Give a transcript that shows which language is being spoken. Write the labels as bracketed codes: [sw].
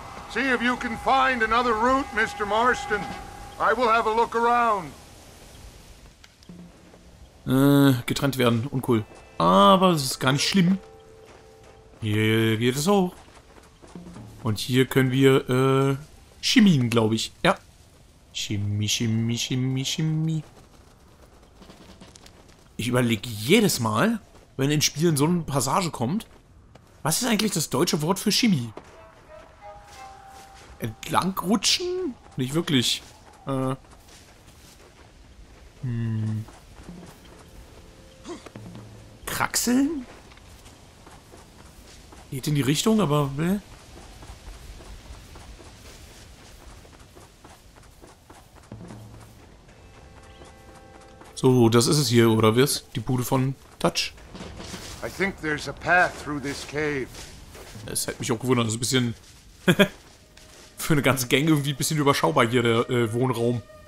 [en] See if you can find another route, Mr. Marston. I will have a look around. [de] Getrennt werden, uncool. Aber es ist gar nicht schlimm. Hier geht es hoch. Und hier können wir chemien, glaube ich. Ja. Chemie, Chemie, Chemie, Chemie. Ich überlege jedes Mal, wenn in Spielen so eine Passage kommt, was ist eigentlich das deutsche Wort für Chemie? Entlangrutschen? Nicht wirklich. Kraxeln? Geht in die Richtung, aber... So, das ist es hier, oder was? Die Bude von Touch. [en] I think there's a path through this cave. [de] Es hätte mich auch gewundert, das ist ein bisschen... Für eine ganze Gang irgendwie ein bisschen überschaubar hier der Wohnraum.